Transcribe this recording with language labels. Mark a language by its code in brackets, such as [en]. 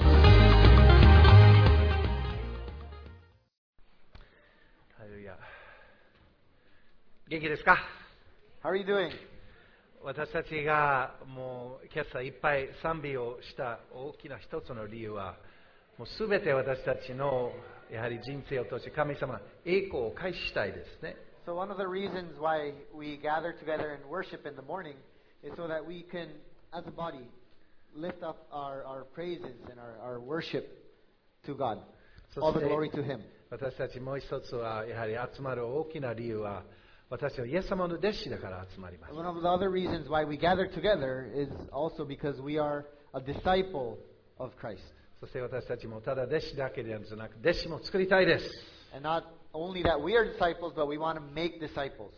[ja] ハレルヤ。元気ですか？ [en] How are you doing? [ja] 私たちがもう今朝いっぱい賛美をした大きな一つの理由は、もうすべて私たちのやはり人生を通して神様栄光を返したいですね。 [en] So one of the reasons why we gather together and worship in the morning is so that we can, as a body, lift up our praises and our worship to God. All the glory to Him. [ja] 私たちもう一つはやはり集まる大きな理由は、私はイエス様の弟子だから集まります。 [en] One of the other reasons why we gather together is also because we are a disciple of Christ. [ja] そして私たちもただ弟子だけではなく、弟子も作りたいです。 [en] And not only that we are disciples, but we want to make disciples.